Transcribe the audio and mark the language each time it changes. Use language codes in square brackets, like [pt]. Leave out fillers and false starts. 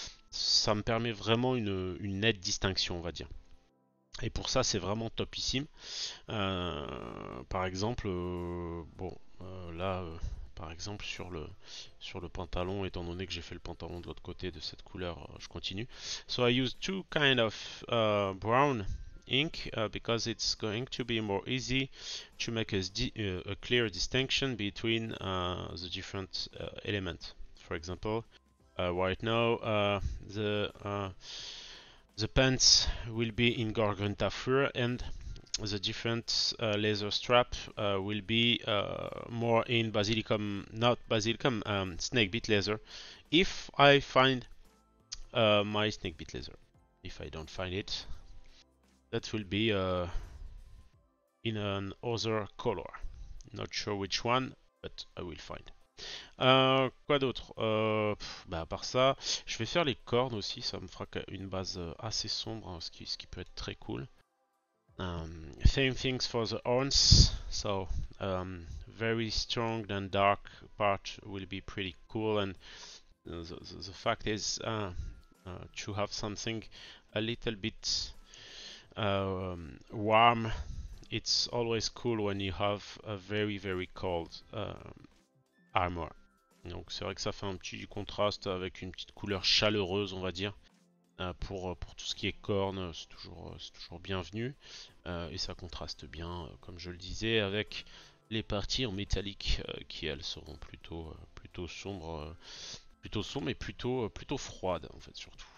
[fr] Ça me permet vraiment une nette distinction, on va dire. Et pour ça, c'est vraiment topissime. Par exemple, bon, là. Par exemple sur le pantalon, étant donné que j'ai fait le pantalon de l'autre côté de cette couleur, je continue. [en] So I use two kind of brown ink because it's going to be more easy to make a clear distinction between the different elements. For example, right now the pants will be in Gorgrintafur and the different leather strap will be more in basilicum, not basilicum, snake bit leather. If I find my snake bit leather, if I don't find it, that will be in an other color. Not sure which one, but I will find. [fr] Quoi d'autre? Bah à part ça, je vais faire les cornes aussi. Ça me fera une base assez sombre, hein, ce qui peut être très cool. [en] Same things for the horns. So, very strong and dark part will be pretty cool. And the fact is, to have something a little bit warm, it's always cool when you have a very very cold armor. [fr] Donc c'est vrai que ça fait un petit contraste avec une petite couleur chaleureuse, on va dire. Pour tout ce qui est corne, c'est toujours bienvenu. Et ça contraste bien, comme je le disais, avec les parties en métallique qui elles seront plutôt sombres, plutôt sombres et plutôt froides en fait surtout.